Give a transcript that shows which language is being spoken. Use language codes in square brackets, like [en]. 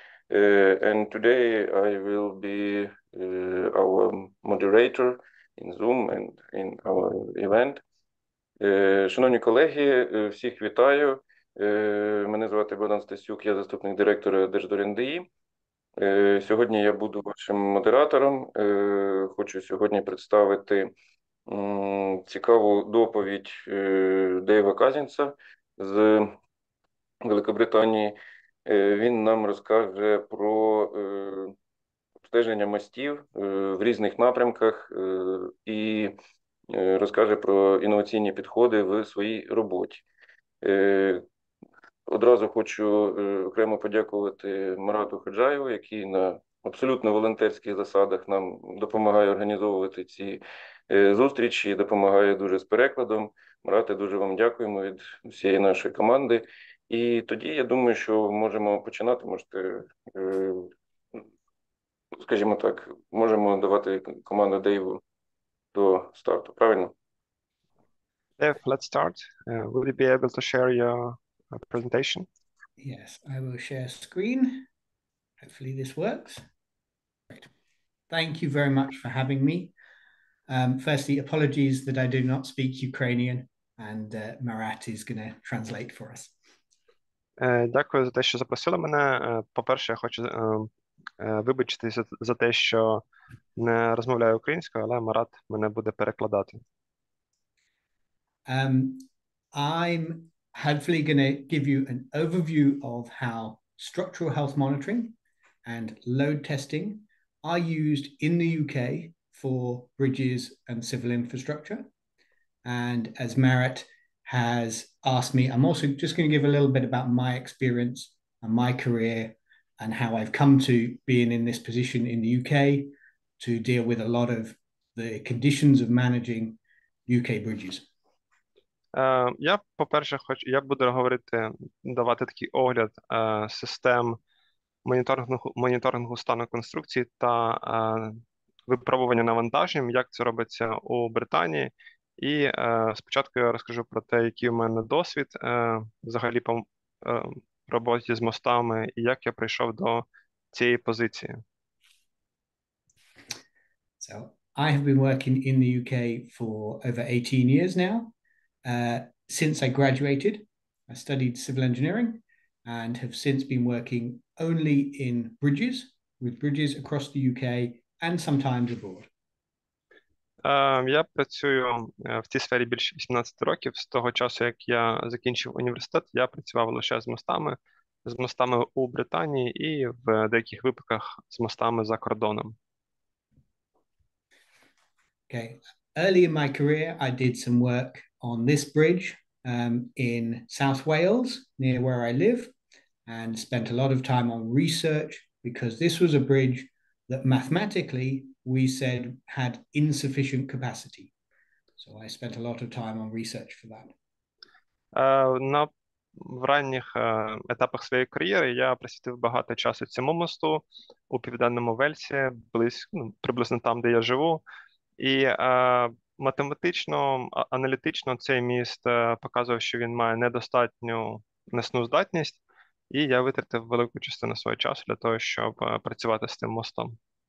[en] And today I will be our moderator in Zoom and in our event. [uk] Шановні колеги, всіх вітаю. Мене звати Богдан Стасюк, я заступник директора Держдорінди. Сьогодні я буду вашим модератором. Хочу сьогодні представити цікаву доповідь Дейва Казінса з Великобританії. Він нам розкаже про обстеження мостів в різних напрямках і розкаже про інноваційні підходи в своїй роботі. Одразу хочу окремо подякувати Марату Ходжаєву, який на абсолютно волонтерських засадах нам допомагає організовувати ці зустрічі, допомагає дуже з перекладом. Марате, дуже вам дякуємо від всієї нашої команди. І тоді, я думаю, що можемо починати, можете, скажімо так, можемо давати команду Дейву до старту, правильно? [en] Dave, let's start. Will you be able to share your presentation? Yes, I will share screen. Hopefully this works. Great. Thank you very much for having me. Firstly, apologies that I do not speak Ukrainian, and Marat is going to translate for us. [uk] Дякую за те, що запросили мене. По-перше, я хочу вибачитися за те, що не розмовляю українською, але Марат мене буде перекладати. [en] I'm hopefully going to give you an overview of how structural health monitoring and load testing are used in the UK for bridges and civil infrastructure. And as Marat has asked me, I'm also just going to give a little bit about my experience and my career and how I've come to being in this position in the UK to deal with a lot of the conditions of managing UK bridges. [uk] Я, по-перше, хочу, я буду говорити, давати такий огляд систем моніторингу стану конструкції та випробування навантаження, як це робиться у Британії. І спочатку я розкажу про те, який у мене досвід взагалі по роботі з мостами і як я прийшов до цієї позиції. [en] So, I have been working in the UK for over 18 years now. Since I graduated, I studied civil engineering and have since been working only in bridges, with bridges across the UK and sometimes abroad. [uk] Я працюю в цій сфері більше 18 років. З того часу, як я закінчив університет, я працював лише з мостами у Британії і в деяких випадках з мостами за кордоном. [en] Okay. Early in my career, I did some work on this bridge in South Wales, near where I live, and spent a lot of time on research because this was a bridge that mathematically we said had insufficient capacity. So I spent a lot of time on research for that. [uk] В ранніх етапах своєї кар'єри я присвятив багато часу цьому мосту у Південному Вельсі, приблизно там, де я живу. І математично, аналітично цей міст показував, що він має недостатню несну здатність, і я витратив велику частину свого часу для того, щоб працювати з тим мостом.